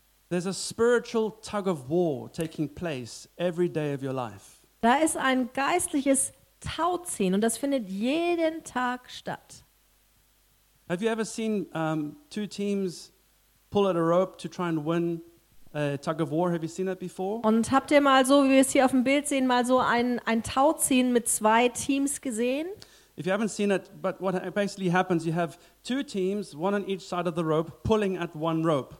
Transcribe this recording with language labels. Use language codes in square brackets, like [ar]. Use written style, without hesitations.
[en] there's a spiritual tug of war taking place every day of your life. [de] Da ist ein geistliches Tauziehen und das findet jeden Tag statt. [en] Have you ever seen two teams pull at a rope to try and win a tug of war? Have you seen that before? [de] Und habt ihr mal so, wie wir es hier auf dem Bild sehen, mal so ein Tauziehen mit zwei Teams gesehen? [en] If you haven't seen it, but what basically happens, you have two teams, one on each side of the rope, pulling at one rope.